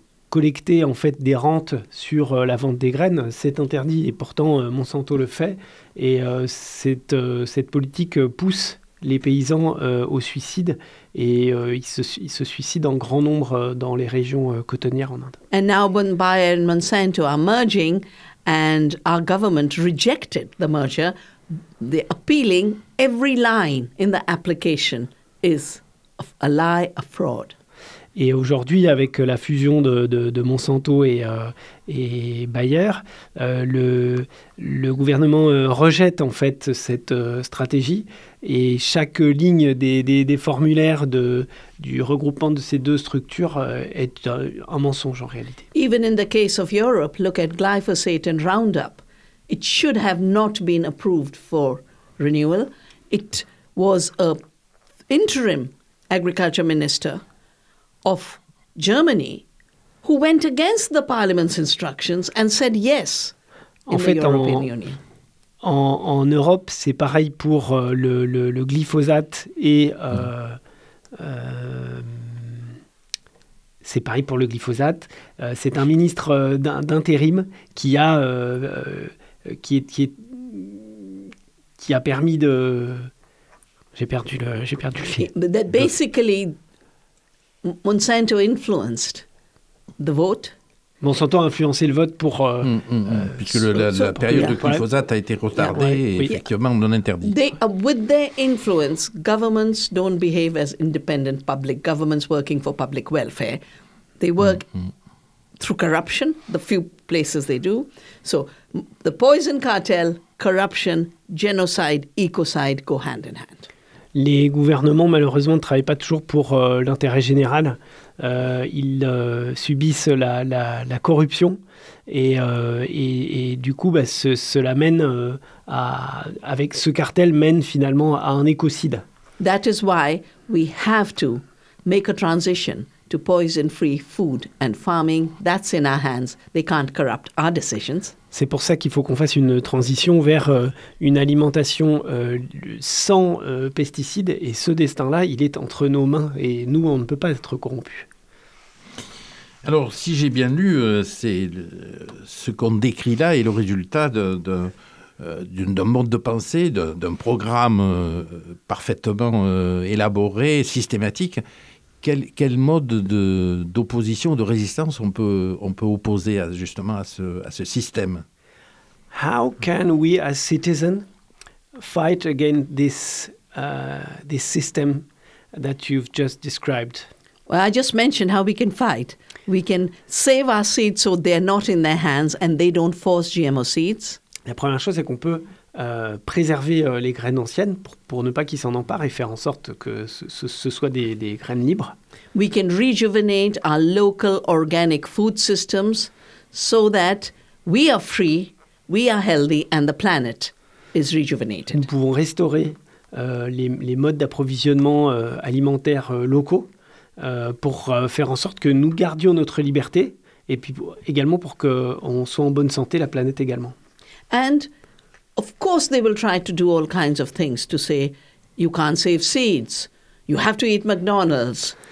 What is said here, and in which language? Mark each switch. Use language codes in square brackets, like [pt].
[fr] Collecter en fait des rentes sur la vente des graines, c'est interdit et pourtant Monsanto le fait et cette politique pousse les paysans au suicide et ils se suicident en grand nombre dans les régions cotonnières en Inde. [en] And now when Bayer and Monsanto are merging and our government rejected the merger, they're appealing every line in the application is a lie, a fraud. [fr] Et aujourd'hui, avec la fusion de Monsanto et Bayer, le gouvernement rejette en fait cette stratégie et chaque ligne des formulaires du regroupement de ces deux structures est un mensonge en réalité. [en] Even in the case of Europe, look at glyphosate and Roundup. It should have not been approved for renewal. It was a interim agriculture minister of Germany, who went against the Parliament's instructions and said yes in the European Union. [fr] En Europe, c'est pareil pour le glyphosate et c'est pareil pour le glyphosate. C'est un ministre d'intérim qui a permis de. J'ai perdu le fil. [en] That basically. Monsanto influenced the vote. [fr] Monsanto a influencé le vote pour... Puisque la période de glyphosate a été retardée effectivement non interdite. [en] With their influence, governments don't behave as independent public governments working for public welfare. They work through corruption, the few places they do. So the poison cartel, corruption, genocide, ecocide go hand in hand. [fr] Les gouvernements, malheureusement, ne travaillent pas toujours pour l'intérêt général. Ils subissent la corruption et du coup, cela mène avec ce cartel mène finalement à un écocide. [en] That is why we have to make a transition to poison-free food and farming. That's in our hands. They can't corrupt our decisions. [fr] C'est pour ça qu'il faut qu'on fasse une transition vers une alimentation sans pesticides. Et ce destin-là, il est entre nos mains et nous, on ne peut pas être corrompus. Alors, si j'ai bien lu, ce qu'on décrit là est le résultat d'un mode de pensée, d'un programme parfaitement élaboré, systématique. Quel mode d'opposition, de résistance on peut opposer à ce système? [en] How can we as citizens fight against this system that you've just described? Well, I just mentioned how we can fight. We can save our seeds so they're not in their hands and they don't force GMO seeds. [fr] La première chose, c'est qu'on peut préserver les graines anciennes pour ne pas qu'ils s'en emparent et faire en sorte que ce soit des graines libres. [en] We can rejuvenate our local organic food systems so that we are free, we are healthy and the planet is rejuvenated. [fr] Nous pouvons restaurer les modes d'approvisionnement alimentaire locaux pour faire en sorte que nous gardions notre liberté et puis également pour qu'on soit en bonne santé, la planète également. [en] And of course they will try to do all kinds of things to say you can't save seeds, you have to eat McDonald's.